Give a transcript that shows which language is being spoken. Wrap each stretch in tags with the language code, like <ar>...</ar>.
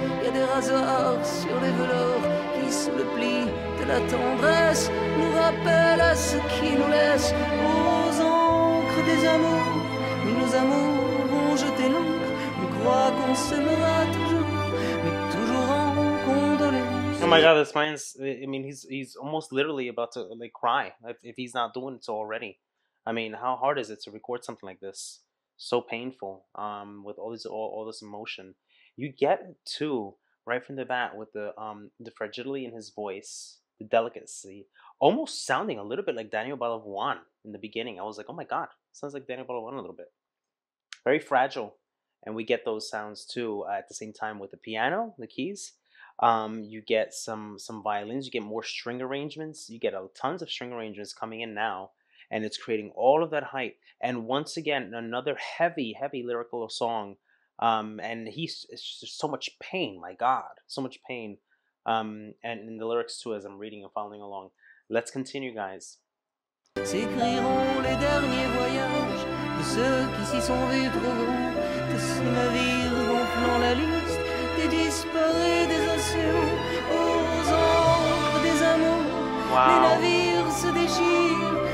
<fr>Y a des rasoirs sur les velours qui, sous le pli de la tendresse, nous rappellent à ce qui nous laisse. Aux encres des amours, mais nos amours vont jeter l'encre. On croit qu'on s'aimera toujours, mais toujours en condoléances.</fr> <en>Oh my god, this man's, I mean, he's almost literally about to like cry if he's not doing so already. I mean, how hard is it to record something like this? So painful, with all this emotion. You get it too, right from the bat, with the fragility in his voice, the delicacy, almost sounding a little bit like Daniel Balavoin in the beginning. I was like, oh my god, sounds like Daniel Balavoin a little bit. Very fragile. And we get those sounds too at the same time with the piano, the keys. You get some violins, you get more string arrangements, you get tons of string arrangements coming in now. And it's creating all of that hype. And once again, another heavy, heavy lyrical song. And it's just so much pain, my God, so much pain. And in the lyrics too, as I'm reading and following along. Let's continue, guys.</en> <fr>S'écriront les derniers voyages de ceux qui s'y sont vus trop gros, de ce navire gonflant la liste des disparus des océans. Aux encres des amours, les navires se déchirent.</fr>